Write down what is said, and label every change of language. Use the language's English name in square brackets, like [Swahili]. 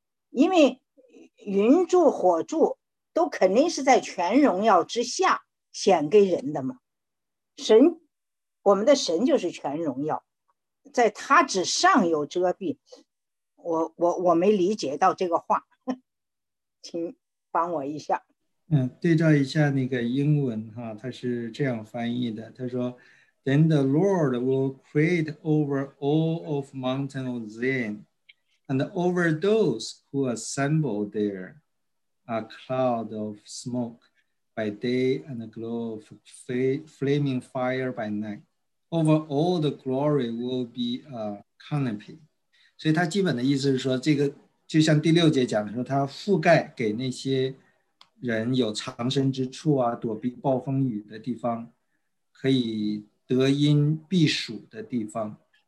[Chinese] 因为云柱火柱都肯定是在全荣耀之下显给人的嘛。神，我们的神就是全荣耀，在他之上有遮蔽。我没理解到这个话，请帮我一下。对照一下那个英文哈，它是这样翻译的，他说 [English] Then the Lord will create over all of mountain of Zion and over those who assemble there a cloud of smoke by day and a glow of flaming fire by night. Over all the glory will be a canopy. [Chinese] 所以他基本的意思是说，这个就像第六节讲的说，他覆盖给那些人有藏身之处啊，躲避暴风雨的地方，可以得荫避暑的地方。